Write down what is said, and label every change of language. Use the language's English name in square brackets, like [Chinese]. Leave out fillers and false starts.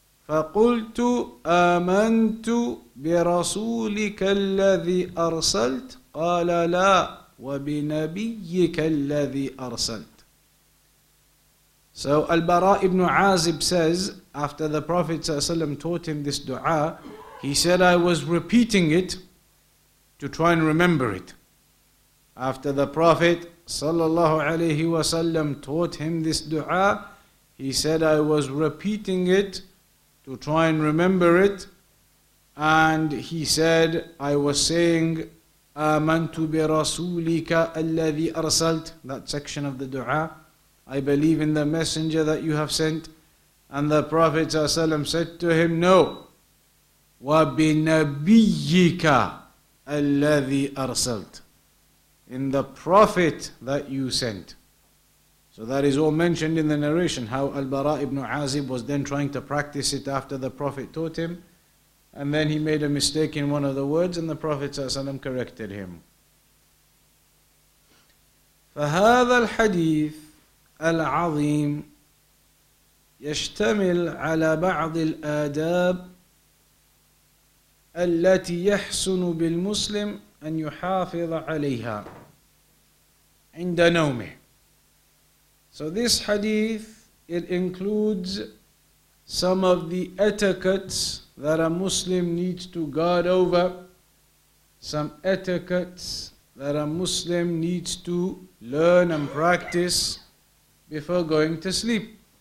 [Arabic] فقلت آمنت برسولك الذي أرسلت قال لا وبنبيك الذي أرسلت. [English] So Al-Bara ibn Azib says, after the Prophet ﷺ taught him this dua, he said, I was repeating it to try and remember it. After the Prophet sallallahu alayhi wa sallam taught him this dua, he said, I was repeating it to try and remember it. And he said, I was saying, [Arabic] Amantu bi rasulika alladhi arsalt, [English] that section of the dua. I believe in the messenger that you have sent. And the Prophet sallallahu alayhi wa sallam said to him, no. [Arabic] Wa bi nabiyyika alladhi arsalt. [English] In the Prophet that you sent. So that is all mentioned in the narration, how Al-Bara ibn Azib was then trying to practice it after the Prophet taught him. And then he made a mistake in one of the words, and the Prophet ﷺ corrected him. [Arabic] فهذا الحديث العظيم يشتمل على بعض الآداب التي يحسن بالمسلم أن يحافظ عليها عند نومه. [English] So this hadith, it includes some of the etiquettes that a Muslim needs to guard over, some etiquettes that a Muslim needs to learn and practice before going to sleep.